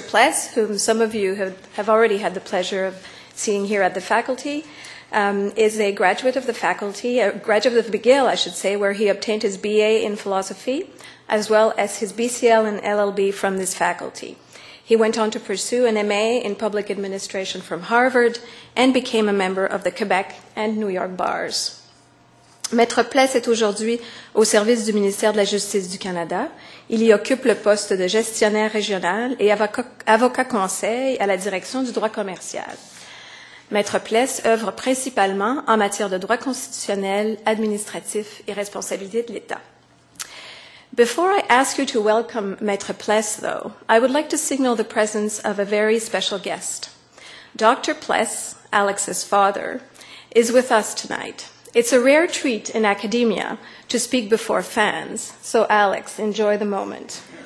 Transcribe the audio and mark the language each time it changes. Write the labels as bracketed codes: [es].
[en] Pless, whom some of you have already had the pleasure of seeing here at the faculty, is a graduate of the faculty, a graduate of McGill, I should say, where he obtained his BA in philosophy, as well as his BCL and LLB from this faculty. He went on to pursue an MA in public administration from Harvard and became a member of the Quebec and New York bars. [fr] Maître Pless est aujourd'hui au service du ministère de la Justice du Canada. Il y occupe le poste de gestionnaire régional et avocat conseil à la direction du droit commercial. Maître Pless œuvre principalement en matière de droit constitutionnel, administratif et responsabilité de l'État. [en] Before I ask you to welcome Maître Pless, though, I would like to signal the presence of a very special guest. Dr. Pless, Alex's father, is with us tonight. It's a rare treat in academia to speak before fans, so Alex, enjoy the moment.